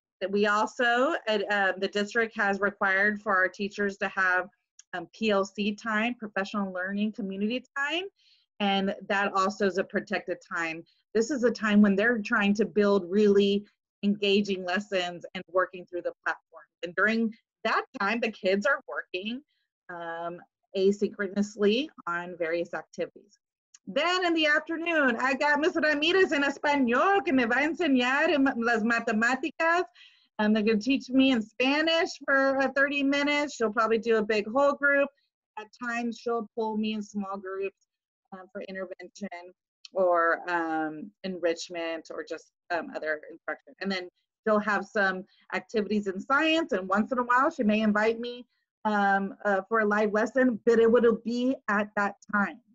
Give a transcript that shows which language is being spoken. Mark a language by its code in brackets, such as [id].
[en] We also, the district has required for our teachers to have PLC time, professional learning community time, and that also is a protected time. This is a time when they're trying to build really engaging lessons and working through the platform. And during that time, the kids are working asynchronously on various activities. Then in the afternoon, I got Ms. [es] Ramirez en Español que me va a enseñar las matemáticas. [en] And they're going to teach me in Spanish for 30 minutes. She'll probably do a big whole group. At times, she'll pull me in small groups for intervention or enrichment or just other instruction. And then she'll have some activities in science. And once in a while, she may invite me for a live lesson, but it will be at that time.